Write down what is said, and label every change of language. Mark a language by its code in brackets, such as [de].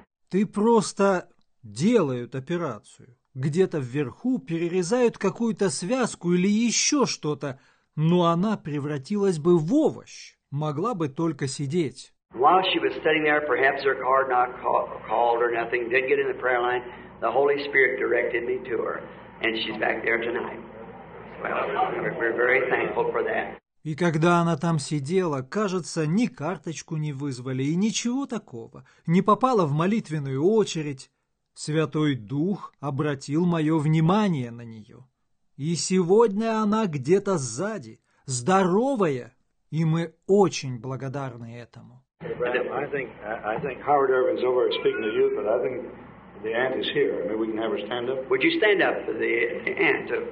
[ru] Ты просто делают операцию. Где-то вверху перерезают какую-то связку или еще что-то, но она превратилась бы в овощ, могла бы только сидеть. [en] While she was sitting there, perhaps her card not called or nothing, didn't get in the prayer line, the Holy Spirit directed me to her, and she's back there tonight. Well, we're very thankful for that. [ru] И когда она там сидела, кажется, ни карточку не вызвали и ничего такого, не попала в молитвенную очередь, Святой Дух обратил мое внимание на нее. И сегодня она где-то сзади, здоровая, и мы очень благодарны этому. [en] I think Howard Irvin's over speaking to you, but I think the aunt is here. Maybe we can have her stand up. Would you stand up for the aunt?